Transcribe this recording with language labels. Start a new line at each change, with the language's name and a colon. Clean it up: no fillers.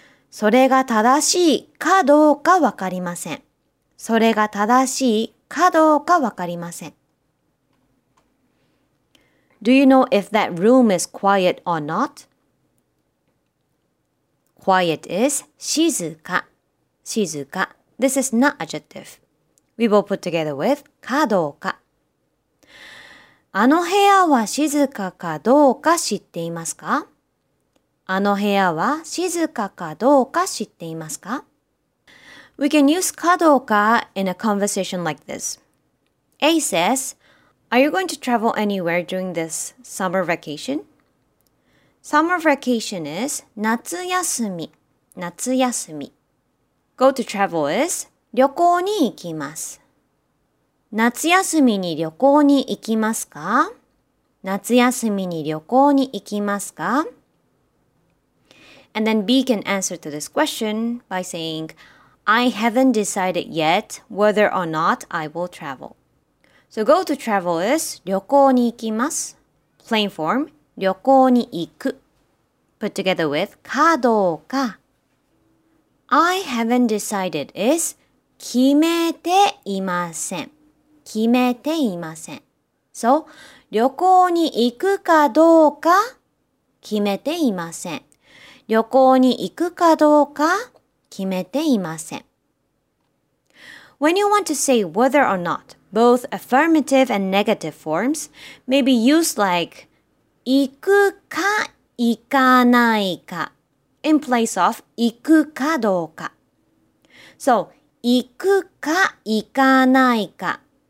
Japanese: それが正しいかどうかわかりません。それが正しいかどうかわかりません。
English: Do you know if that room is quiet or not? Quiet is 静か、静か。 This is not adjective. We will put together with
Japanese: かどうか。あの部屋は静かかどうか知っていますか? あの部屋は静かかどうか知っていますか?
English: We can use かどうか in a conversation like this. A says, Are you going to travel anywhere during this summer vacation? Summer vacation is
Japanese: 夏休み、夏休み。
English: Go to travel is
Japanese: 旅行に行きます。夏休みに旅行に行きますか?夏休みに旅行に行きますか?
English: And then B can answer to this question by saying, I haven't decided yet whether or not I will travel. So go to travel is
Japanese: 旅行に行きます。
English: Plain form,
Japanese: 旅行に行く。
English: Put together with
Japanese: かどうか。
English: I haven't decided is
Japanese: 決めていません。決めていません。 So 旅行に行くかどうか決めていません。旅行に行くかどうか決めていません。
English: When you want to say whether or not, both affirmative and negative forms may be used like
Japanese: 行くか行かないか
English: in place of
Japanese: 行くかどうか。
English: So
Japanese: 行くか行かないか。